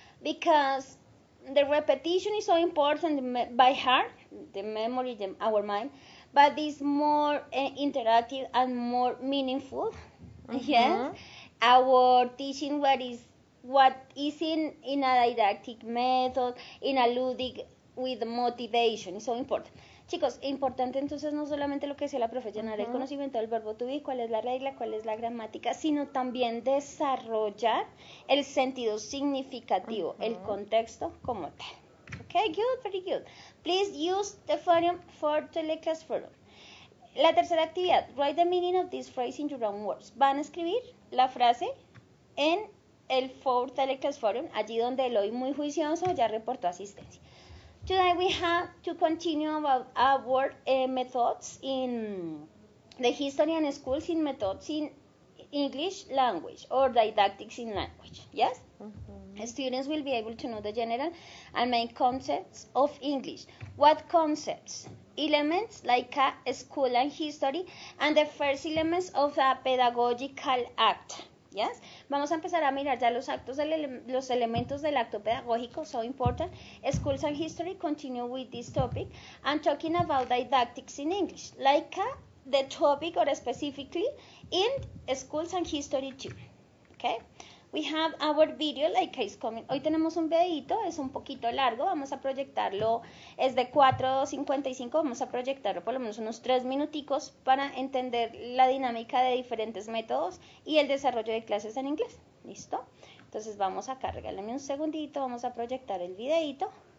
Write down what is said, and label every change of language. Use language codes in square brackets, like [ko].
[en] Because the repetition is so important by heart, the memory, our mind, but it's more interactive and more meaningful. Yes. Our teaching what is in a didactic method, in a ludic with motivation, so important. [es] Chicos, importante entonces no solamente lo que decía la profe, llenar el conocimiento del verbo to be, cuál es la regla, cuál es la gramática, sino también desarrollar el sentido significativo, el contexto como tal. [en] Okay, good, very good. Please use the forum for teleclass forum. [es] La tercera actividad, [en] write the meaning of this phrase in your own words. [es] Van a escribir la frase en el Ford Teleclass Forum, allí donde Eloy, muy juicioso, ya reportó asistencia. [en] Today we have to continue about our methods in the history and schools in methods in English language or didactics in language. Yes? Mm-hmm. Students will be able to know the general and main concepts of English. What concepts? Elements like a school and history and the first elements of a pedagogical act. Yes? [es] Vamos a empezar a mirar ya los actos, los elementos del acto pedagógico, [en] so important. Schools and history, continue with this topic. I'm talking about didactics in English, like the topic or specifically in schools and history too. Okay? We have our video, like is coming. [es] Hoy tenemos un videito, es un poquito largo, vamos a proyectarlo, es de 4:55, vamos a proyectarlo por lo menos unos 3 minuticos para entender la dinámica de diferentes métodos y el desarrollo de clases en inglés. ¿Listo? Entonces vamos acá, regálame un segundito, vamos a proyectar el videito.